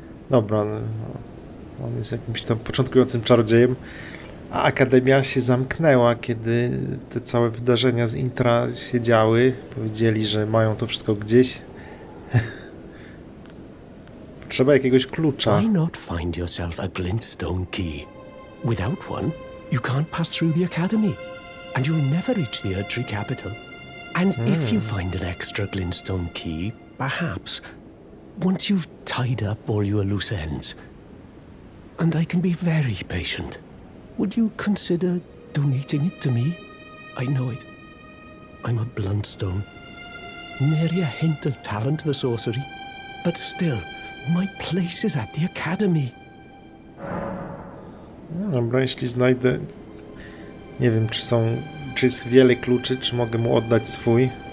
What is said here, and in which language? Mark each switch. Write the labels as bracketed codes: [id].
[pl] Dobra, on jest jakimś tam początkującym czarodziejem. A Akademia się zamknęła, kiedy te całe wydarzenia z Intra się działy. Powiedzieli, że mają to wszystko gdzieś. Trzeba jakiegoś klucza. [en] Why not find yourself a Glintstone key? Without one, you can't pass through the Academy. And you'll never reach the Erdtree Capital. And if you find an extra Glintstone key, perhaps, once you've tied up all your loose ends, and I can be very patient, would you consider donating it to me? I know it. I'm a Bluntstone. Nary a hint of talent for sorcery. But still, my place is at the Academy. [pl] Dobra, jeśli znajdę... Nie wiem, czy jest wiele kluczy, czy mogę mu oddać swój.